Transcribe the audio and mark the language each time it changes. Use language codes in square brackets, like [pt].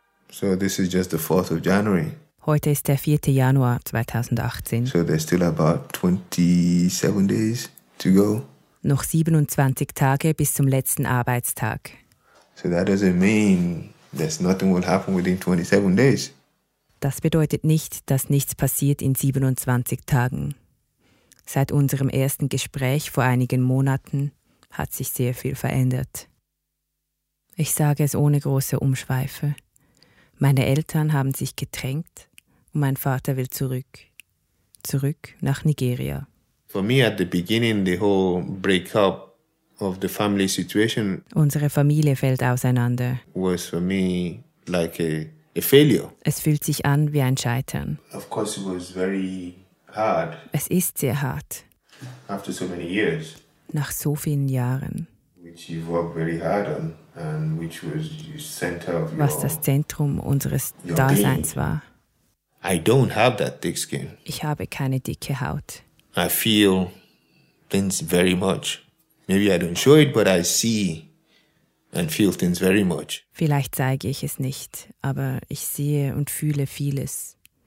[en] So this is just the 4th of January. [de] Heute ist der 4. Januar 2018. [en] So there's still about 27 days to go. [de] Noch 27 Tage bis zum letzten Arbeitstag. [en] So that doesn't mean that nothing will happen within 27 days. [de] Das bedeutet nicht, dass nichts passiert in 27 Tagen. Seit unserem ersten Gespräch vor einigen Monaten hat sich sehr viel verändert. Ich sage es ohne große Umschweife. Meine Eltern haben sich getrennt und mein Vater will zurück. Zurück nach Nigeria. [en] For me at the beginning the whole breakup of the family situation. [de] Unsere Familie fällt auseinander. [en] Was for me like a failure. [de] Es fühlt sich an wie ein Scheitern. [en] Of course it was very hard. [de] Es ist sehr hart. [en] After so many years. [de] Nach so vielen Jahren. [en] Which you worked very hard on. And which was the center of [de] was das Zentrum unseres Daseins war. [en] I don't have that thick skin. Ich habe keine dicke Haut. I feel things very much. Maybe I don't show it, but I see and feel things very much. [de] Vielleicht zeige ich es nicht, aber ich sehe und fühle vieles.